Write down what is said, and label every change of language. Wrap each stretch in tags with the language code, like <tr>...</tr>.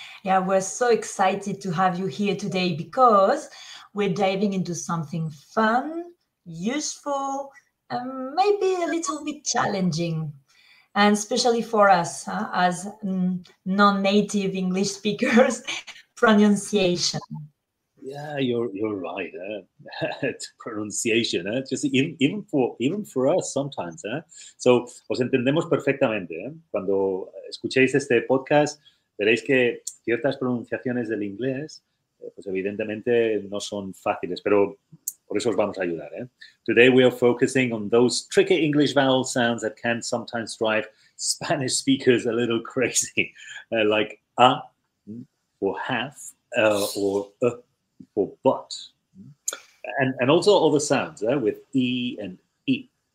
<en>Yeah, we're so excited to have you here today because we're diving into something fun, useful, and maybe a little bit challenging. And especially for us, as non-native English speakers, pronunciation. Yeah, you're right. Pronunciation, just even for us sometimes.</en> <es>So os entendemos perfectamente. Cuando escuchéis este podcast, veréis que ciertas pronunciaciones del inglés, pues evidentemente no son fáciles, pero por eso os vamos a ayudar.</es> <en>Today we are focusing on those tricky English vowel sounds that can sometimes drive Spanish speakers a little crazy, like a or half or a. For but, and also other sounds with E and E.</en>